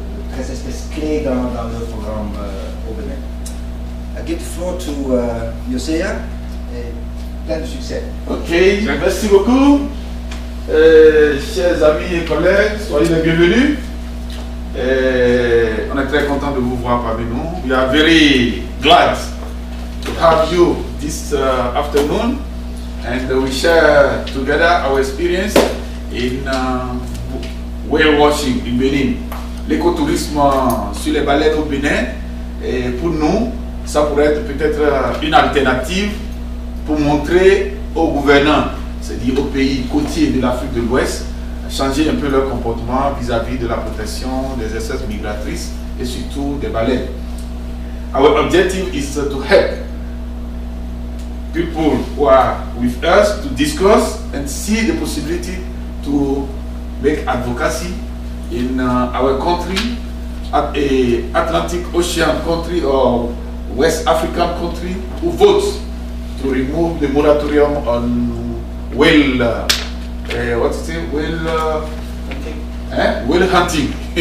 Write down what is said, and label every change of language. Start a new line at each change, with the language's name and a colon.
French: Très espèce clé dans le programme au Bénin.
English: I give the floor to Yosea
French: et plein de succès. Ok, merci beaucoup. Chers amis et collègues, soyez les bienvenus. On est très content de vous voir parmi nous.
English: We are very glad to have you this afternoon. and we share together our experience in whale watching in Benin.
French: L'écotourisme sur les baleines au Bénin, et pour nous, ça pourrait être peut-être une alternative pour montrer aux gouvernants, c'est-à-dire aux pays côtiers de l'Afrique de l'Ouest, changer un peu leur comportement vis-à-vis de la protection des espèces migratrices et surtout des baleines.
English: Our objective is to help people who are with us to discuss and see the possibility to make advocacy in our country, at a Atlantic Ocean country or West African country, who votes to remove the moratorium on whale, whale hunting.